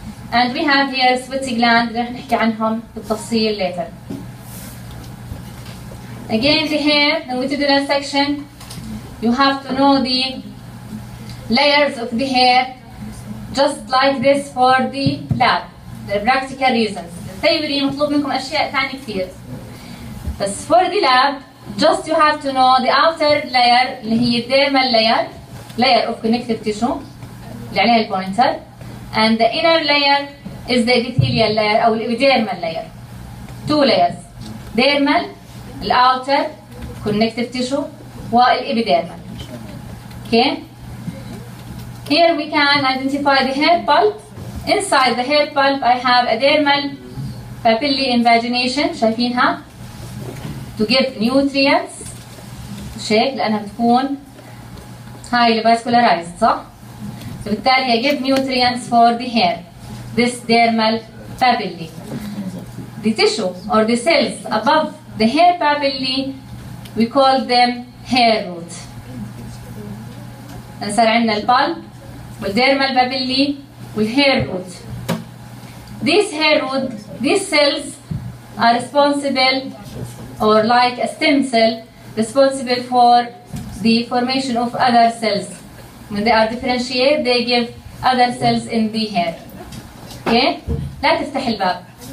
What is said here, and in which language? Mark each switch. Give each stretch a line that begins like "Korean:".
English: And we have here sweat gland
Arabic: رح نحكي عنهم بالتفصيل
English: later. Again the hair, the longitudinal section, you have to know the layers of the hair just like this for the lab, the practical reasons.
Arabic: الثيوري مطلوب منكم أشياء ثانية كثير.
English: بس for the lab, just you have to know the outer layer اللي هي dermal layer, layer of connective tissue
Arabic: اللي عليها البوينتر.
English: And the inner layer is the epithelial layer أو dermal layer. Two layers. Dermal, the outer, connective tissue, والإبيديرمال. Okay? Here we can identify the hair pulp. Inside the hair pulp, I have a dermal papillae invagination. شايفينها؟ To give nutrients. شايف؟
Arabic: لأنها بتكون
English: highly vascularized, صح؟ بالتالي give nutrients for the hair. This dermal papillae. The tissue or the cells above the hair papillae, we call them hair root.
Arabic: انصار عندنا البلب والديرمال بابيلي والهير روت.
English: These hair root, these cells are responsible or like a stem cell responsible for the formation of other cells. When they are differentiated, they give other cells in the hair.
Arabic: Okay? لا تفتح الباب.